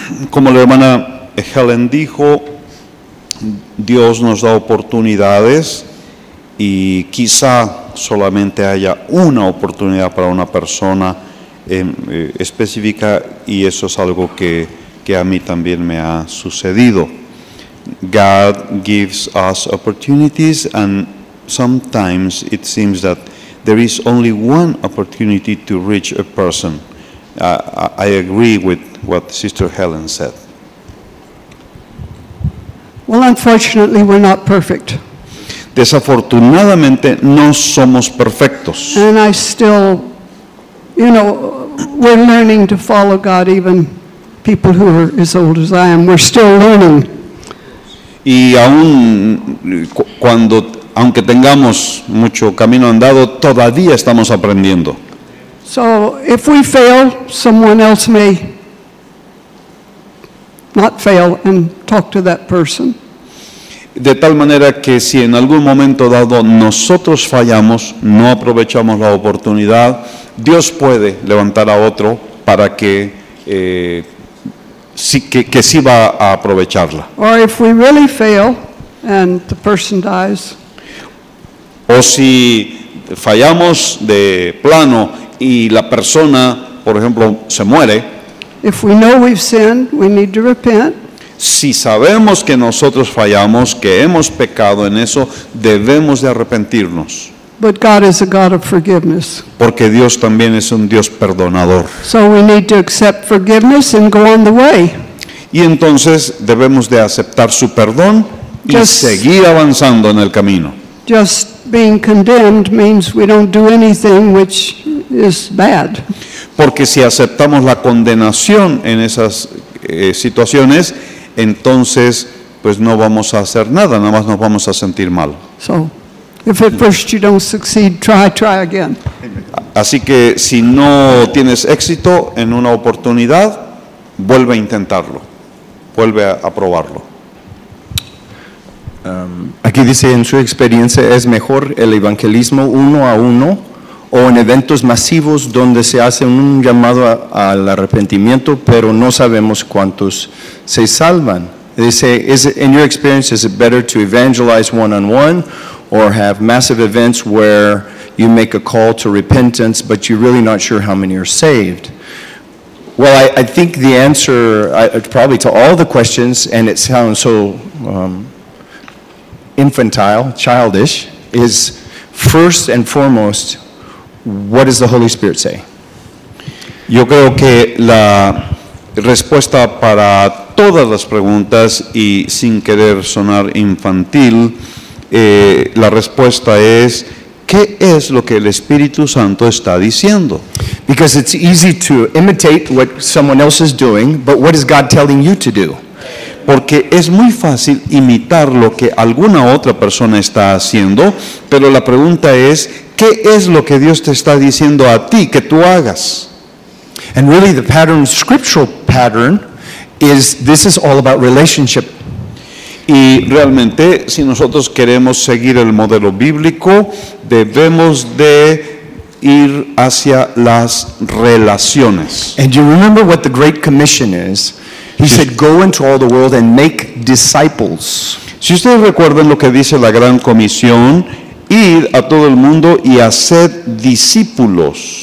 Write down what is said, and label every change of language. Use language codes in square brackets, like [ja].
[es] Como la hermana Helen dijo, Dios nos da oportunidades y quizá solamente haya una oportunidad para una persona específica, y eso es algo que a mí también me ha sucedido. [en] God gives us opportunities, and sometimes it seems that there is only one opportunity to reach a person. I agree with what Sister Helen said. Well, unfortunately, we're not perfect. [es] Desafortunadamente, no somos perfectos. [en] And I still, you know, we're learning to follow God, even people who are as old as I am. We're still learning. [es] Y aún cuando, aunque tengamos mucho camino andado, todavía estamos aprendiendo. [en] So if we fail, someone else may not fail and talk to that person. [es] De tal manera que si en algún momento dado nosotros fallamos, no aprovechamos la oportunidad, Dios puede levantar a otro para que que sí va a aprovecharla. [en] Or if we really fail and the person dies. [es] O si fallamos de plano y la persona, por ejemplo, se muere. [en] If we know we've sinned, we need to repent. [es] Si sabemos que nosotros fallamos, que hemos pecado en eso, debemos de arrepentirnos. [en] But God is a God of forgiveness. [es] Porque Dios también es un Dios perdonador. [en] So we need to accept forgiveness and go on the way. [es] Y entonces debemos de aceptar su perdón y seguir avanzando en el camino. [en] Just being condemned means we don't do anything, which is bad. [es] Porque si aceptamos la condenación en esas situaciones, entonces pues no vamos a hacer nada, nada más nos vamos a sentir mal. [en] So if at first you don't succeed, try again. [es] Así que si no tienes éxito en una oportunidad, vuelve a intentarlo. Vuelve a probarlo. Aquí dice, en su experiencia, ¿es mejor el evangelismo uno a uno o en eventos masivos donde se hace un llamado al arrepentimiento, pero no sabemos cuántos se salvan? Dice, [en] in your experience, is it better to evangelize one on one or have massive events where you make a call to repentance, but you're really not sure how many are saved? Well, I think the answer probably to all the questions, and it sounds so infantile, childish, is first and foremost, what does the Holy Spirit say? [es] Yo creo que la respuesta para todas las preguntas, y sin querer sonar infantil, la respuesta es, ¿qué es lo que el Espíritu Santo está diciendo? [en] Because it's easy to imitate what someone else is doing, but what is God telling you to do? [es] Porque es muy fácil imitar lo que alguna otra persona está haciendo, pero la pregunta es, ¿qué es lo que Dios te está diciendo a ti que tú hagas? [en] And really the pattern, scriptural pattern, is this is all about relationship. [es] Y realmente, si nosotros queremos seguir el modelo bíblico, debemos de ir hacia las relaciones. [en] And you remember what the Great Commission is? He said, go into all the world and make disciples. [es] Si ustedes recuerdan lo que dice la Gran Comisión, ir a todo el mundo y hacer discípulos.